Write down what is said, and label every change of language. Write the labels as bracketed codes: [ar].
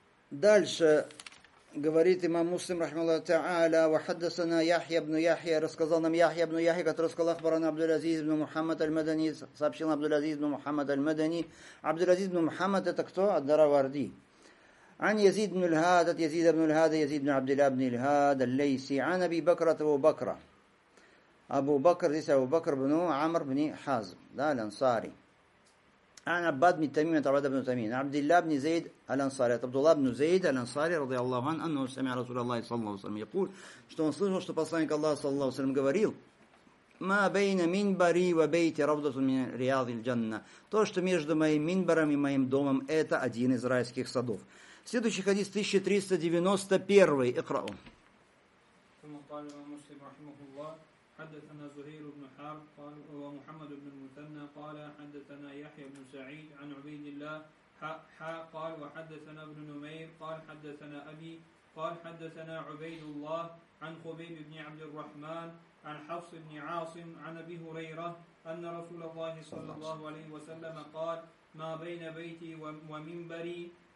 [ru] Дальше говорит имам Муслим, рахмаллаху та'аля, «Ва хаддасана Яхья ибн Яхья», рассказал нам Яхья ибн Яхья, который сказал Ахбарана Абдул-Азиз ибн Мухаммад аль-Мадани, сообщил Абдул-Азиз ибн Мухаммад аль-Мадани. Абдул-Азиз ибн Мухаммад – это кто? Ад-Дараварди. «Ан Язид ибн Аль-Хад, от Язид ибн Аль-Хад, Язид ибн Абдилля ибн Аль-Хад, Аль-Лейси, Ан Аби Бакра, от Абу Бакра». Абу Бакр, здесь Абу Бакр ибн Амр ибн Хазм, да, аль-Ансари. [ar] عن عباد بن تميم عباد بن تميم عبد الله بن زيد الأنصاري عبد الله بن زيد الأنصاري رضي الله عنه أنه سمع رسول الله صلى الله عليه وسلم يقول [ru] что он слышал что посланник Аллаха [ar] صلى الله عليه وسلم [ru] говорил [ar] ما بين منبري وبيتي روضة من رياض الجنة [ru] то что между моим минбаром и моим домом это один из райских садов. Следующий хадис 1391 اقرأ. [ar] ثم قال مسلم رحمه الله حدثنا زهير بن حرب قال ومحمد بن المثنى قال حدثنا يحيى بن سعيد عن عبيد الله حاء قال وحدثنا ابن نمير قال حدثنا أبي قال حدثنا عبيد الله عن خبيب بن عبد الرحمن عن حفص بن عاصم عن أبي هريرة أن رسول الله صلى الله عليه وسلم قال ما بين بيتي ومنبري